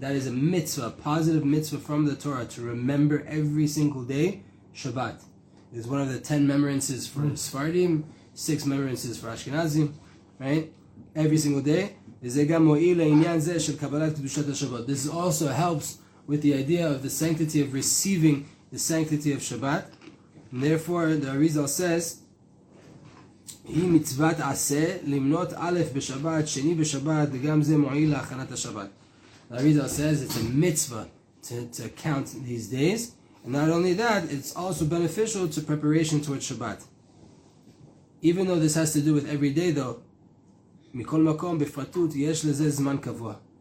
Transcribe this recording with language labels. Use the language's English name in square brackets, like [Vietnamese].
[English] That is a mitzvah, a positive mitzvah from the Torah, to remember every single day Shabbat. It's one of the 10 memorances for Sephardim, 6 memorances for Ashkenazim, right? Every single day. This also helps with the idea of the sanctity of receiving the sanctity of Shabbat. And therefore, the Arizal says, [Hebrew] היא מצוות עשה למנות א' בשבת, שני בשבת, וגם זה מועיל להכנת השבת. [English] The Arizal says it's a mitzvah to count these days. And not only that, it's also beneficial to preparation towards Shabbat. Even though this has to do with every day though, [Hebrew] מכל מקום בפרטות יש לזה זמן קבוע.